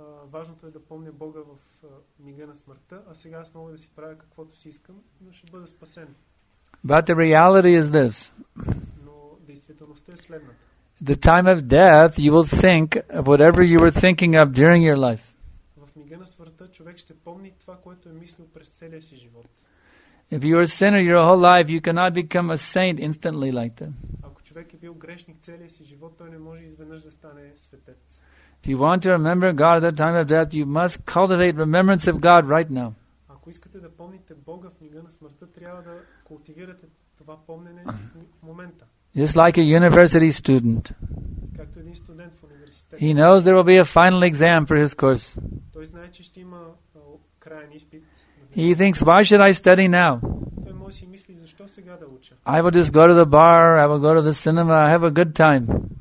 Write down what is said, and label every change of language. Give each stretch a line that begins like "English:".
Bulgarian: Важното е да помня Бога в мига на смъртта, а сега аз мога да си правя каквото си искам, но ще бъда спасен.
English: But the reality is this.
Bulgarian: Но действителността е следната.
English: The time of death, you will think of whatever you were thinking of during your life.
Bulgarian: В мига на смъртта човек ще помни това, което е мислил през целия си живот.
English: If you are a sinner your whole life, you cannot become a saint instantly like that.
Bulgarian: Ако човек е бил грешник целия си живот, той не може изведнъж да стане светец.
English: If you want to remember God at the time of death, you must cultivate remembrance of God right now.
Bulgarian: Ако искате да помните Бога в мига на смъртта, трябва да култивирате това помнене в момента.
English: Just like a university student.
Bulgarian: Както един студент в университета.
English: He knows there will be a final exam for his course.
Bulgarian: Той знае, че ще има краен изпит.
English: He thinks, why should I study now?
Bulgarian: Той може си мисли, защо сега да уча?
English: I will just go to the bar, I will go to the cinema, I have a good time.